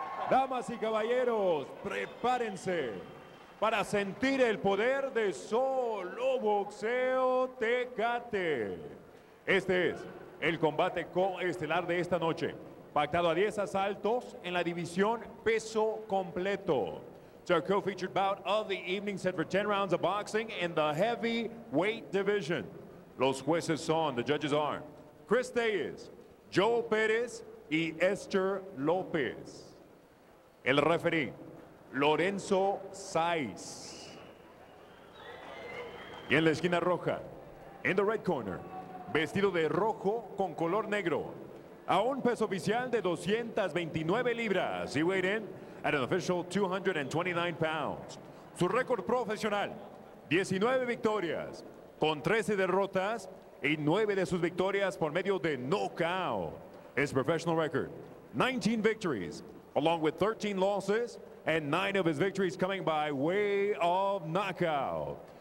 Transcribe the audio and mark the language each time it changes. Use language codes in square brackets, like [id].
[es] Damas y caballeros, prepárense para sentir el poder de Solo Boxeo Tecate. Este es el combate coestelar de esta noche, pactado a 10 asaltos en la división peso completo. [en] It's our co-featured bout of the evening, set for 10 rounds of boxing in the heavyweight division. [es] Los jueces son, [en] the judges are, [es] Chris Tellez, Joe Pérez y Esther López. El referee, Lorenzo Saiz. Y en la esquina roja, [en] in the red corner, [es] vestido de rojo con color negro, a un peso oficial de 229 libras. [en] He weighed in at an official 229 pounds. [es] Su récord profesional, 19 victorias, con 13 derrotas y 9 de sus victorias por medio de knockout. [en] His professional record, 19 victories, along with 13 losses, and 9 of his victories coming by way of knockout.